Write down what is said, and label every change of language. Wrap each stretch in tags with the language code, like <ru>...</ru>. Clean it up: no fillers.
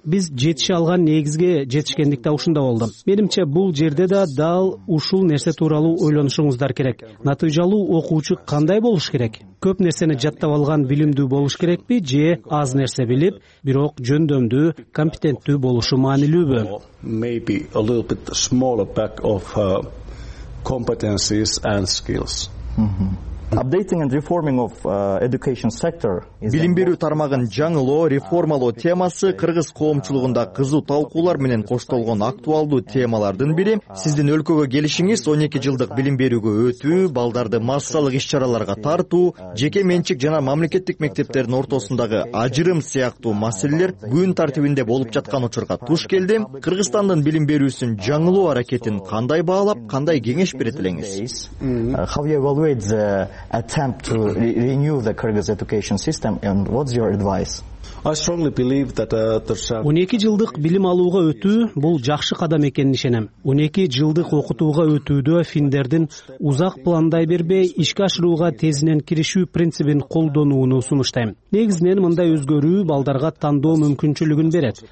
<ky>Биз жетише алган негизге жетишкендикте ушунда болду. Менимче, бул жерде да дал ушул нерсе тууралуу ойлонушуңуздар керек. Натыйжалуу окуучу кандай болуш керек? Көп нерсени жаттап алган билимдүү болуш керекпи же аз нерсе билип, бирок жөндөмдүү, компетенттүү болушу маанилүүбү?</ky> <en>Maybe a little bit smaller pack of competencies and skills. Updating and reforming of education sector.</en> <ky>Билим берүү тармагын жаңылоо, реформалоо темасы кыргыз коомчулугунда кызуу талкуулар менен коштолгон актуалдуу темалардын бири. Сиздин өлкөгө келишиңиз 12 жылдык билим берүүгө өтүү, балдарды массалык иш-чараларга тартуу, жеке менчик жана мамлекеттик мектептердин ортосундагы ажырым сыяктуу маселелер күн тартибинде болуп жаткан учурга туш келди. Кыргызстандын билим берүүсүн жаңылоо аракетин кандай баалап, кандай кеңеш берет элеңиз?</ky> <en>How you evaluate the attempt to renew the Kyrgyz education system and what's your advice? I strongly believe that</en> <ky>12 жылдык билим алууга өтүү бул жакшы кадам экенин ишенем. 12 жылдык окутууга өтүүдө финдердин узак пландай бербей, ишке ашырууга тезинен киришүү принцибин колдонууну сунуштайм. Негизинен мындай өзгөрүү балдарга тандоо мүмкүнчүлүгүн берет.</ky>